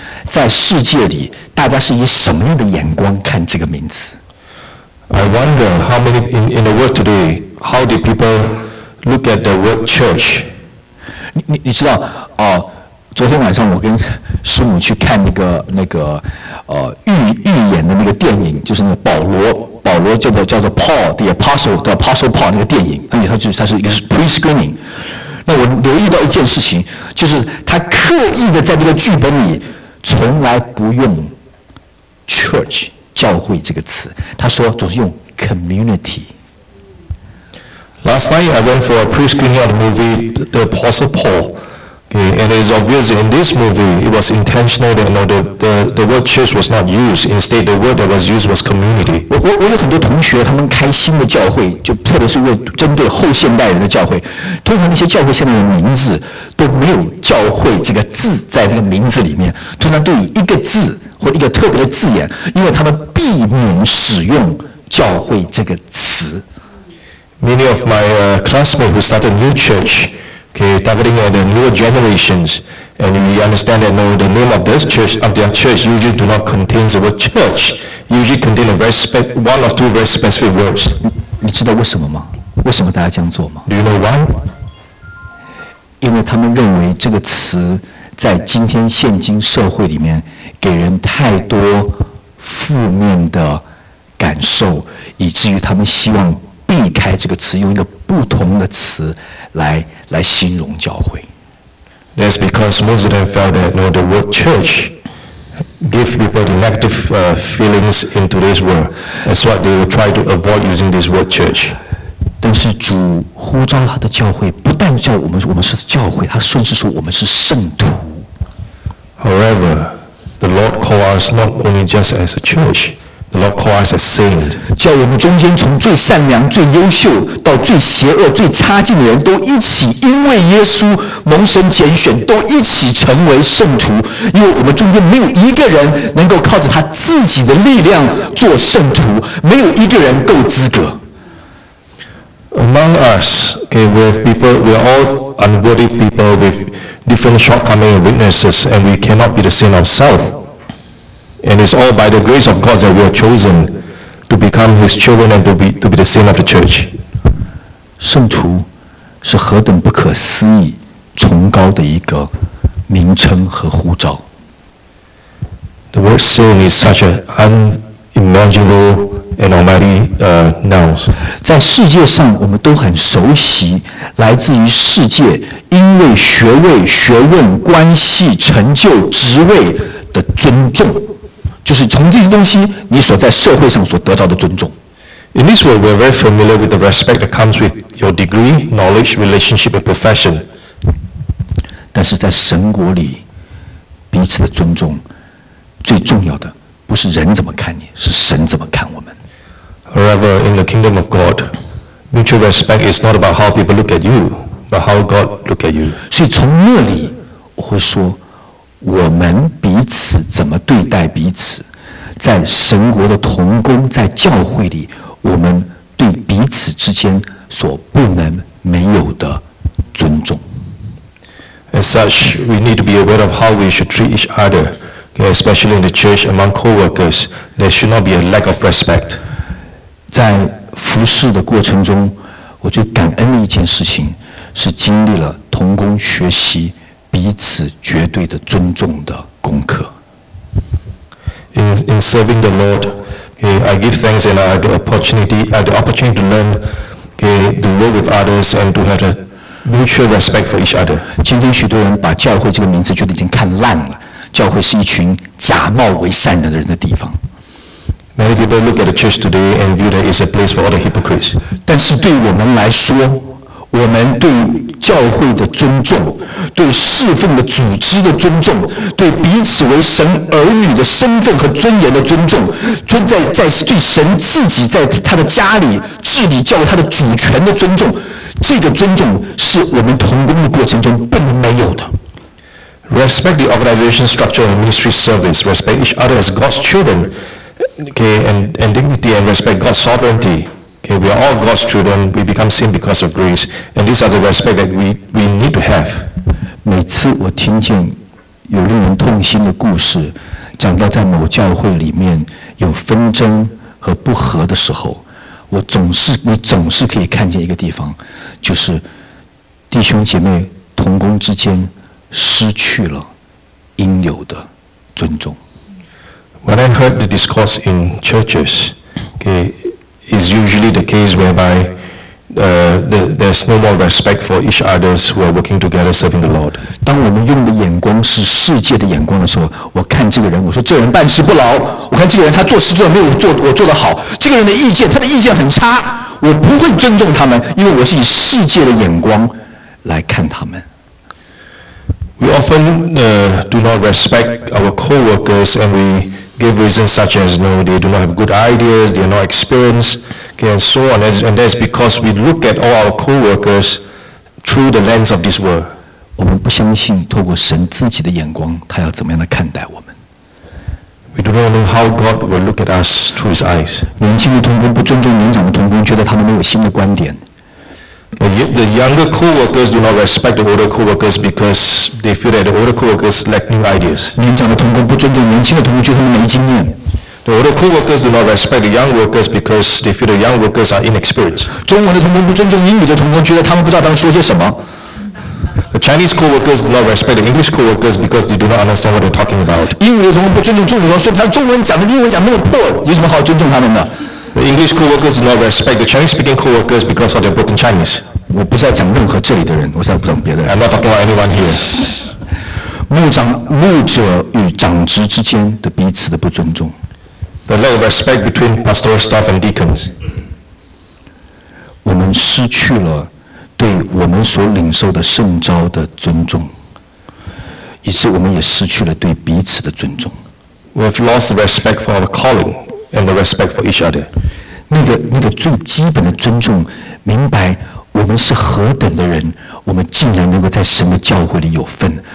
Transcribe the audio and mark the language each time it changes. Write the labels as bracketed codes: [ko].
[zh] 在世界里，大家是以什么样的眼光看这个名词 [en] ？I wonder how many in the world today, how do people look at the word church? [zh] 你知道昨天晚上我跟师母去看那个预言的那个电影，就是那个保罗保罗这部叫做 Paul the Apostle the Apostle Paul 那个电影，那它是一个 pre-screening。那我留意到一件事情，就是他刻意的在这个剧本里从来不用 church 教会这个词，他说总是用 community。 [en] Last night I went for a pre-screening of the movie The Apostle Paul. Okay, and it is obvious in this movie it was intentional that, you know, the word church was not used. Instead, the word that was used was community. [zh] 我有很多同学，他们开新的教会，就特别是为针对后现代人的教会，通常那些教会现在的名字都没有教会这个字在那个名字里面，通常都以一个字或一个特别的字眼，因为他们避免使用教会这个词。 [en] Many of my classmates who started new church, okay, targeting at the newer generations, and we understand that, no, the name of this church, of their church, usually do not contain the word church. Usually contain a very one or two very specific words. [zh] 你知道为什么吗？为什么大家这样做吗？ [en] Do you know why? [zh] 因为他们认为这个词在今天现今社会里面给人太多负面的感受，以至于他们希望避开这个词，用一个不同的词 来形容教会。 [en] That's because most of them felt that, you know, the word church gives people the negative feelings in today's world. That's why they will try to avoid using this word church. [zh] 但是主呼召他的教会，不但叫我们是教会，他甚至说我们是圣徒。 [en] However, the Lord calls us not only just as a church. The Lord calls us a saint. [zh] 叫我们中间从最善良、最优秀到最邪恶、最差劲的人都一起，因为耶稣蒙神拣选，都一起成为圣徒。因为我们中间没有一个人能够靠着他自己的力量做圣徒，没有一个人够资格。 [en] Among us, okay, we have people. We are all unworthy people with different shortcomings and weaknesses, and we cannot be the saint ourselves. And it's all by the grace of God that we are chosen to become His children and to be the saint of the church. [zh] 圣徒是何等不可思议、崇高的一个名称和呼召。 [en] The word saint is such an unimaginable and almighty noun. [zh] 在世界上，我们都很熟悉来自于世界，因为学位、学问、关系、成就、职位的尊重。就是从这些东西你所在社会上所得到的尊重。 [en] In this world, we're very familiar with the respect that comes with your degree, knowledge, relationship, and profession. [zh] 但是在神国里，彼此的尊重，最重要的不是人怎么看你，是神怎么看我们。 [en] However, in the kingdom of God, mutual respect is not about how people look at you, but how God look at you. [zh] 所以从那里，我会说我们彼此怎么对待彼此，在神国的同工，在教会里，我们对彼此之间所不能没有的尊重。 [en] As such, we need to be aware of how we should treat each other, especially in the church among co-workers. There should not be a lack of respect. [zh] 在服事的过程中，我最感恩的一件事情是经历了同工学习彼此绝对的尊重的功课。 [en] In serving the Lord, okay, I give thanks and I have the opportunity to learn, okay, to work with others and to have a mutual respect for each other. [zh] 今天许多人把教会这个名字觉得已经看烂了，教会是一群假冒为善的人的地方。 [en] Many people look at the church today and view that it's a place for all the hypocrites. [zh] 但是对我们来说，我们对教会的尊重，对侍奉的组织的尊重，对彼此为神儿女的身份和尊严的尊重，在对神自己在他的家里治理教会他的主权的尊重，这个尊重是我们同工的过程中不能没有的。 [en] Respect the organization structure and ministry service. Respect each other as God's children. Okay, and dignity and respect God's sovereignty. Okay, we are all God's children. We become saints because of grace, and these are the respect that we need to have. [zh] 每次我听见有令人痛心的故事，讲到在某教会里面有纷争和不和的时候，你总是可以看见一个地方，就是弟兄姐妹同工之间失去了应有的尊重。 [en] When I heard the discourse in churches, okay. is usually the case whereby there's no more respect for each other who are working together serving the Lord. [zh] 当我们用的眼光是世界的眼光的时候，我看这个人，我说这人办事不牢，我看这个人他做事做的没有做我做的好，这个人的意见，他的意见很差，我不会尊重他们，因为我是以世界的眼光来看他们。 [en] We often do not respect our co-workers, and we give reasons such as, no, they do not have good ideas, they are not experienced, okay, and so on. And that's because we look at all our co-workers through the lens of this world. [zh] 我们不相信透过神自己的眼光，他要怎么样来看待我们。 [en] We do not know how God will look at us through His eyes. [zh] 年轻的同工不尊重年长的同工，觉得他们没有新的观点。 [en] The younger co-workers do not respect the older co-workers because they feel that the older co-workers lack new ideas. [zh] 年长的同工不尊重年轻的同工，觉得他们没经验。 [en] The older co-workers do not respect the young workers because they feel the young workers are inexperienced. [zh] 中文的同工不尊重英语的同工，觉得他们不知道他们说些什么。 [en] The Chinese co-workers do not respect the English co-workers because they do not understand what they're talking about. [zh] 英语的同工不尊重中文的同工，说他中文讲的英文讲那么破，有什么好尊重他们的？ [en] The English co-workers do not respect the Chinese-speaking co-workers because of their broken Chinese. [zh] 我不是要讲任何这里的人，我是要讲别的人。 [en] I'm not talking about anyone here. [zh] 牧者与长职之间的彼此的不尊重。 [en] The lack of respect between pastoral staff and deacons. [zh] 我们失去了对我们所领受的圣召的尊重，以致我们也失去了对彼此的尊重。 [en] We have lost respect for our calling. And the respect for each other. [zh] 那个最基本的尊重，明白我们是何等的人，我们竟然能够在神的教会里有份。